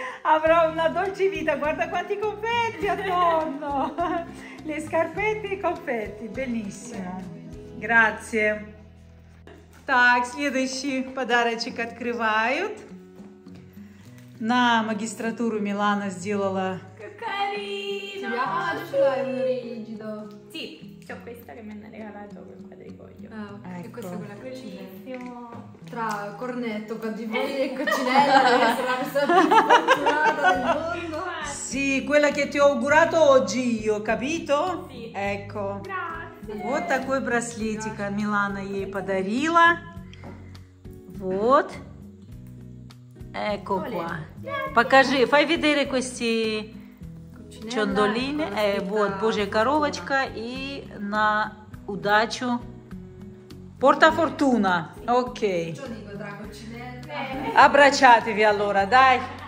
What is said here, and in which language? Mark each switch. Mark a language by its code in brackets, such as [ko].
[it] Avrò una dolce vita, guarda quanti confetti attorno, le scarpette e i confetti, bellissimo, grazie. [ru] Так, следующий подарочек открывают. На магистратуру Милана сделала... [it] Carino! [ru] Я хочу [it] рigido. Sì, c'è questa che mi hanno regalato con quadrifoglio. Ah, ecco. E questa con la bellissimo. Tra cornetto, quadrifoglio e coccinella, che sarà la più fortunata del mondo. Sì, quella che ti ho augurato oggi io, capito? Sì. Ecco. Grazie. [ru] Вот такой браслетик Милана ей подарила. Вот. [it] Ecco qua. [ru] Покажи, [it] fai vedere questi ciondolini. [ru] Вот, божья коровочка и на удачу. [it] Porta fortuna, ok. Abbracciatevi allora, dai.